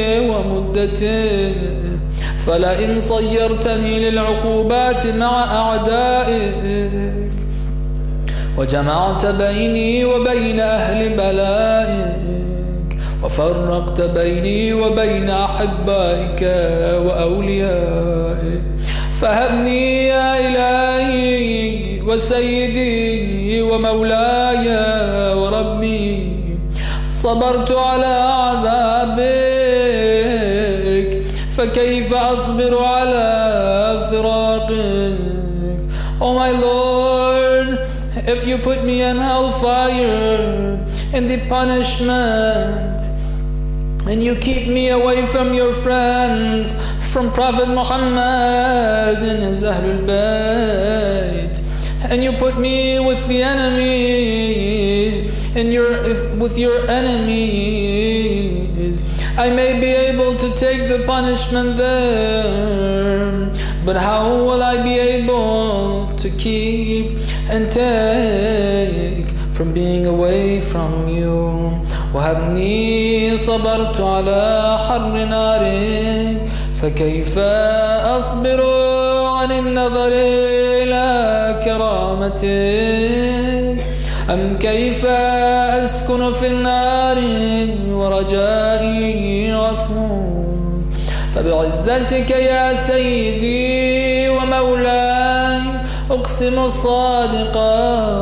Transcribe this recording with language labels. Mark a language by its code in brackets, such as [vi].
[ar] ومدته؟ فلئن صيرتني للعقوبات مع أعدائك وجمعت بيني وبين أهل بلائك وفرقت بيني وبين أحبائك وأوليائك، فهبني يا إلهي وسيدي ومولاي وربي صبرت على عذابك فكيف أصبر على فراقك. [en] Oh my Lord, if you put me in hellfire in the punishment and you keep me away from your friends, from Prophet Muhammad and his Ahlul Bayt, and you put me with the enemies with your enemies, I may be able to take the punishment there, but how will I be able to keep and take from being away from you? [ar] وهبني صبرت على حر نارك فكيف أصبر عن النظر إلى كرامتك؟ أم كيف أسكن في النار ورجائي عفوك؟ فبعزتك يا سيدي ومولاي أقسم صادقا